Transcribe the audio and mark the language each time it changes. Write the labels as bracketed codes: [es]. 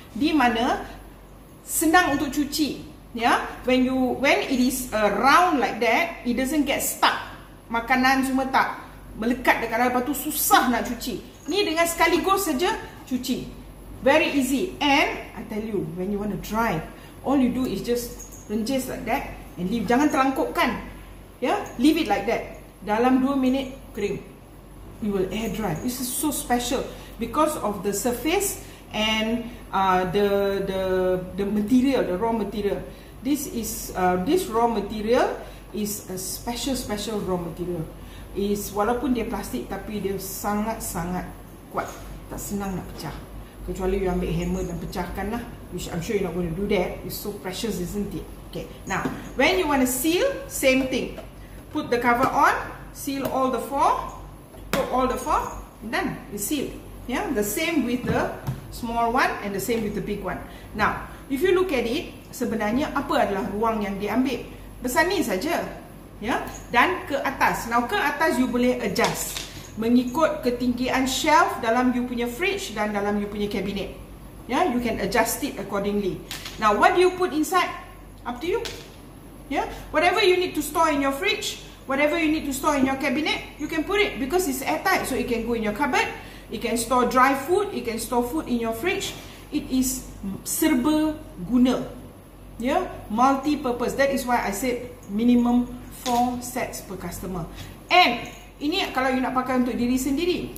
[ms] Di mana, senang untuk cuci. [en] Yeah? When it is a round like that, it doesn't get stuck. [ms] Makanan semua tak melekat dekat dalam, lepas tu susah nak cuci. Ni dengan sekaligus saja cuci. [en] Very easy. And I tell you, when you want to dry, all you do is just rencis like that and leave. [ms] Jangan terangkup kan? [en] Yeah, leave it like that. [ms] Dalam 2 minit kering. [en] You will air dry. This is so special because of the surface and the material, the raw material. This is this raw material is a special special raw material. [ms] Is walaupun dia plastik tapi dia sangat sangat kuat. Tak senang nak pecah. Kecuali you ambil hammer dan pecahkan lah. [en] Which I'm sure you're not going to do that. It's so precious, isn't it? Okay. Now, when you want to seal, same thing. Put the cover on. Seal all the four. Put all the four. Done. It's sealed. Yeah. The same with the small one and the same with the big one. Now, if you look at it, [ms] sebenarnya apa adalah ruang yang diambil? Besar ni saja. Yeah. Dan ke atas. Now, ke atas you boleh adjust. Mengikut ketinggian shelf dalam you punya fridge dan dalam you punya cabinet. [en] Yeah, you can adjust it accordingly. Now, what do you put inside? Up to you. Yeah, whatever you need to store in your fridge, whatever you need to store in your cabinet, you can put it because it's airtight. So, it can go in your cupboard. It can store dry food. It can store food in your fridge. It is serba guna. Yeah, multi-purpose. That is why I said minimum 4 sets per customer. [ms] And ini kalau you nak pakai untuk diri sendiri.